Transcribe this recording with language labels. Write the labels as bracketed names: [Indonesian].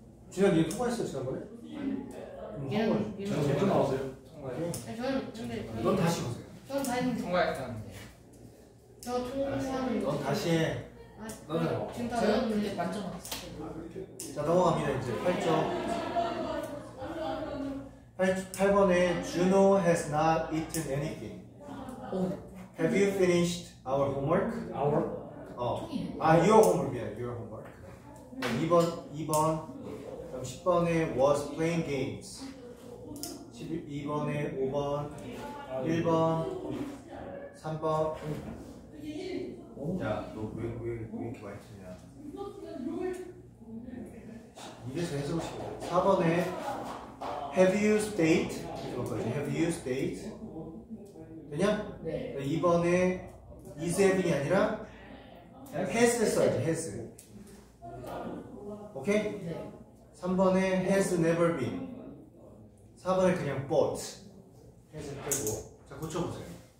[Korean] 지난 얘 통화했어요 지난번에? 아니요. 얘는 저는 못 나왔어요. 저는 넌 다시 보세요. 저는 다시 통과했다는데. 저 통과하는. 넌 다시. 해. 아, 너는 지금 다 외웠는데 만점 왔어. 자 넘어갑니다 이제 8점. 8번에 [English] Juno has not eaten anything. Have you finished our homework? Our? [Korean] 어. [English] 아 your homework 이야 your homework. [Korean] 2번. 그럼 10번에 [English] was playing games. [Korean] 2번에 5번, 1번, 3번. 야, 너 왜 이렇게 많이 틀냐? 이래서 해석을 시켜. 4번에 [English] Have you stayed? Have you stayed? [Korean] 되냐? 네. 2번에 [English] Is having이 [Korean] 아니라 [English] Has [Korean] 써야지, [English] Has. [Korean] 오케이? 네. 3번에 [English] Has never been. [Korean] 4번에 그냥 bought 해서 빼고 자 고쳐보세요.